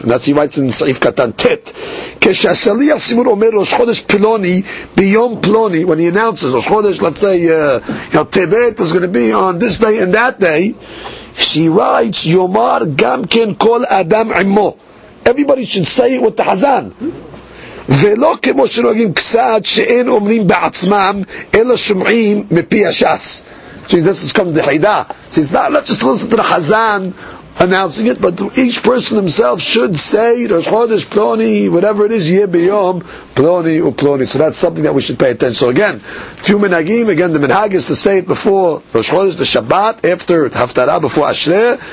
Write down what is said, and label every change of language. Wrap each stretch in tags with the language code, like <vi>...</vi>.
<en>And that's, he writes in Saif Katan Tet,</en> <he>כשהשליח סימון אומר ראש חודש פלוני, ביום פלוני,</he> <en>when he announces, ראש חודש, let's say, טבת is going to be on this day and that day, she writes,</en> <he>יאמר גם כן כל אדם עמו.</he> <en>Everybody should say it with the חזן.</en> <he>ולא כמו שנוהגים קצת, שאין אומרים בעצמם, אלא שומעים מפי השס.</he> <en>See, this comes to the Haida. See, it's not enough just to listen to the Chazan announcing it, but each person himself should say, Rosh Chodesh Ploni, whatever it is, Yeh Biyom, Ploni or Ploni. So that's something that we should pay attention to. So again, few minhagim, again, the minhag is to say it before Rosh Chodesh, the Shabbat, after Haftarah, before Ashre.</en>